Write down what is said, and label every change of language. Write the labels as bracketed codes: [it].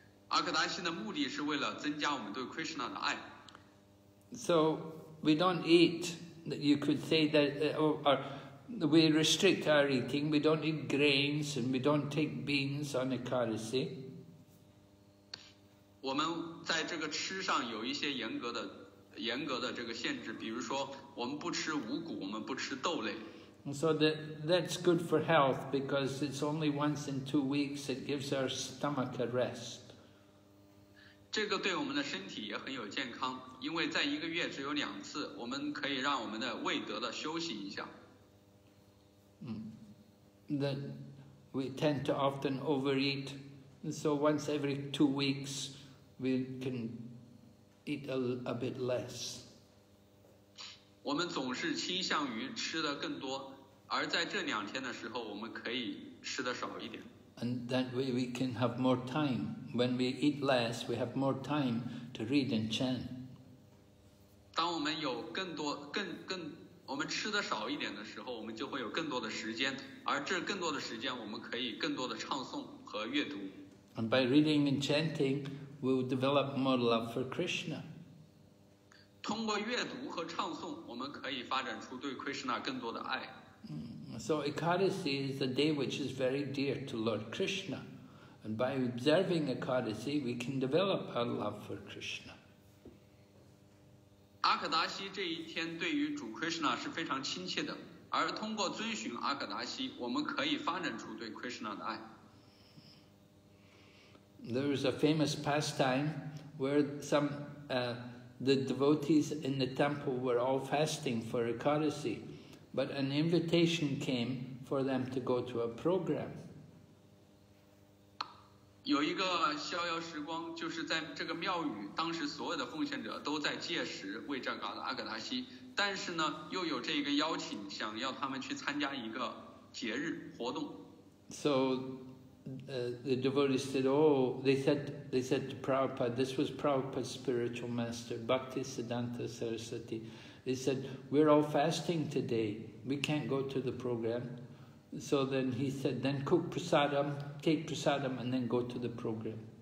[zh] Akadasi's 目的是为了增加我们对 Krishna 的爱。 [en] So we don't eat. You could say that, or we restrict our eating. We don't eat grains and we don't take beans on Akadasi. [zh] 我们在这个吃上有一些严格的这个限制，比如说我们不吃五谷，我们不吃豆类。 [en] And so that's good for health because it's only once in 2 weeks it gives our stomach a rest. [zh] 这个对我们的身体也很有健康，因为在一个月只有两次，我们可以让我们的胃得的休息一下。 [en] That we tend to often overeat, and so once every 2 weeks we can eat a bit less. [zh] 我们总是倾向于吃的更多。而在这两天的时候，我们可以吃的少一点。 [en] And that way we can have more time. When we eat less, we have more time to read and chant. [zh] 当我们有更多、更我们吃的少一点的时候，我们就会有更多的时间。而这更多的时间，我们可以更多的唱诵和阅读。 [en] And by reading and chanting, we will develop more love for Krishna. [zh] 通过阅读和唱诵，我们可以发展出对 Krishna 更多的爱。 [en] So Ekadasi is a day which is very dear to Lord Krishna, and by observing Ekadasi, we can develop our love for Krishna. [zh] Akadasi 这一天对于主 Krishna 是非常亲切的，而通过遵循 Akadasi, 我们可以发展出对 Krishna 的爱。 [en] There is a famous pastime where some the devotees in the temple were all fasting for Ekadasi. But an invitation came for them to go to a program. [zh] 有一个逍遥时光，就是在这个庙宇，当时所有的奉献者都在戒食为这个阿格达西，但是呢，又有这个邀请，想要他们去参加一个节日活动。 [en] So, the devotees said, "Oh, they said to Prabhupada, this was Prabhupada's spiritual master, Bhakti Siddhanta Saraswati." They said, we're all fasting today. We can't go to the program. So then he said, then cook prasadam, take prasadam, and then go to the program.